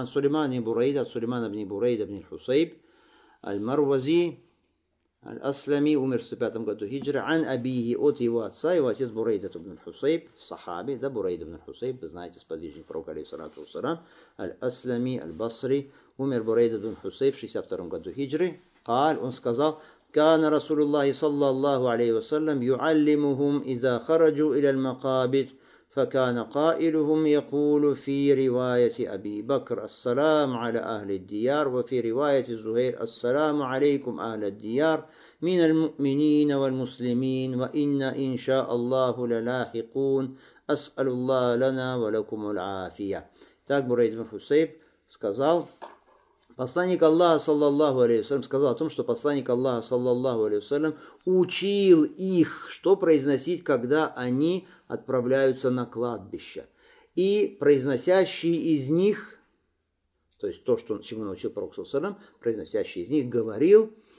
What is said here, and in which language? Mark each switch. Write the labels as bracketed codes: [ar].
[ru] Ан Сулейман ибн Бурайда, от Сулеймана ибн Бурайда ибн аль-Хусейб, аль-Марвази, аль-Аслами, умер в 105 году хиджры. Ан Абихи, от его отца, его отец Бурайда ибн аль-Хусейб, сахаби, да, Бурайда ибн аль-Хусейб, вы знаете, сподвижник пророка, алейхиссалату вассалям, аль-Аслами, аль-Басри, умер Бурайда ибн аль-Хусейб в 62 году хиджры. [ar] Каль, [ru] он сказал, [ar] كان رسول الله صلى الله عليه وسلم يعلمهم إذا خرجوا إلى المقابر فكان قائلهم يقول في رواية أبي بكر السلام على أهل الديار وفي رواية زهير السلام عليكم أهل الديار من المؤمنين والمسلمين وإن إن شاء الله للاحقون أسأل الله لنا ولكم العافية [ru] так Бурайд ибн Хусейб сказал. Посланник Аллаха, саллаллаху алейхи ва саллям, сказал о том, что посланник Аллаха, саллаллаху алейхи ва саллям, учил их, что произносить, когда они отправляются на кладбище. И произносящие из них, то есть то, что, чему научил пророк, саллаллаху алейхи ва саллям, произносящий из них, говорил.